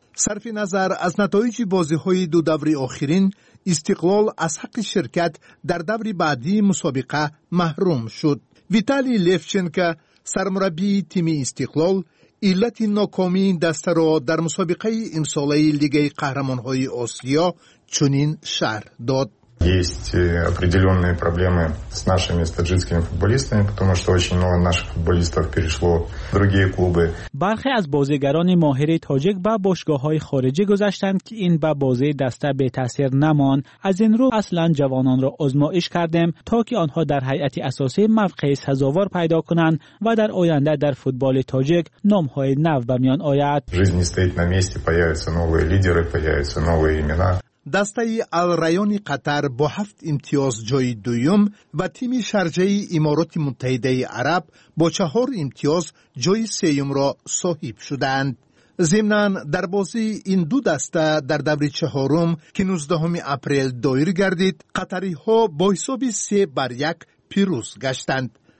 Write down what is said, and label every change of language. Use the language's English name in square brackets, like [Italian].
[Tajik] صرف نظر از نتایج بازی های دو دوری آخرین، استقلال از حق شرکت در دوری بعدی مسابقه محروم شد. ویتالی لفچنکا سرمربی تیم استقلال علت ناکامی دسته را در مسابقه امسالی لیگ قهرمان های آسیا چنین شرح داد. [Russian] Есть определенные проблемы с нашими таджикскими футболистами, потому что очень много наших футболистов перешло в другие клубы. [Tajik] Бархи аз бозигарони моҳири тоҷик ба бошгоҳҳои хориҷӣ гузаштанд, ки ин ба бозии даста бетаъсир намон. Аз ин рӯ аслан ҷавононро озмоиш кардем, то ки онҳо дар ҳайати асосӣ мавқеи сазовор пайдо кунанд ва дар оянда дар футболи тоҷик номҳои нав ба миён ояд. [Russian] Жизнь не стоит на месте, появятся новые лидеры, появятся новые имена. [Tajik] دسته الرایان قطر با 7 امتیاز جای دویم و تیم شرجه امارات متحده عرب با 4 امتیاز جای سیوم را صاحب شدند. ضمناً در بازی این دو دسته در دور چهارم که 19 اپریل دایر گردید، قطری ها با حساب 3-1 پیروز گشتند.